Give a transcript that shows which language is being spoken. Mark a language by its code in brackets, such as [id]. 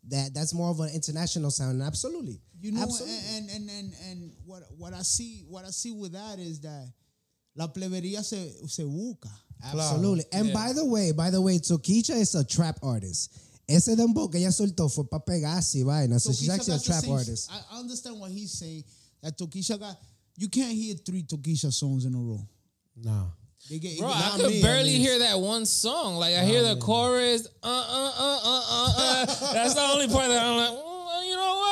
[en] That's more of an international sound, absolutely. You know, what I see with that is that [es] la plebería se busca. [en] Absolutely. [es] Claro. [en] And by the way, Tokisha is a trap artist. [es] Ese dembow que ella soltó fue para pegarse, vaina. [en] So she's actually a trap artist. I understand what he's saying, that Tokisha got, you can't hear three Tokisha songs in a row. No. Bro, I could barely hear that one song. Like, I hear the chorus. That's the only part that I'm like, you know.